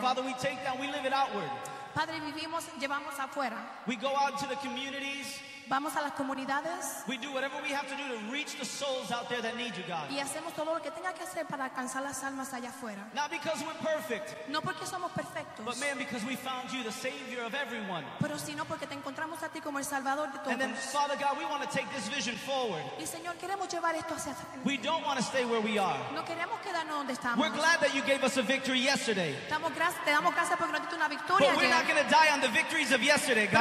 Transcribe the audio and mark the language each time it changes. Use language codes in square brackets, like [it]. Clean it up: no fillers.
[en] Father, we take that, we live it outward. [es] Padre, vivimos, llevamos afuera. [en] We go out to the communities. [es] Vamos a las comunidades. [en] We do whatever we have to do to reach the souls out there that need you, God. [es] Y hacemos todo lo que tenga que hacer para alcanzar las almas allá afuera. [en] Not because we're perfect. [es] No porque somos perfectos. [en] But man, because we found you, the Savior of everyone. [es] Pero sino porque te encontramos a ti como el Salvador de todos. [en] And then, Father God, we want to take this vision forward. [es] Y Señor, queremos llevar esto hacia adelante. [en] We don't want to stay where we are. [es] No queremos quedarnos donde estamos. [en] We're glad that you gave us a victory yesterday. [es] Te damos gracias porque nos diste una victoria ayer. [en] But we're not going to die on the victories of yesterday, God.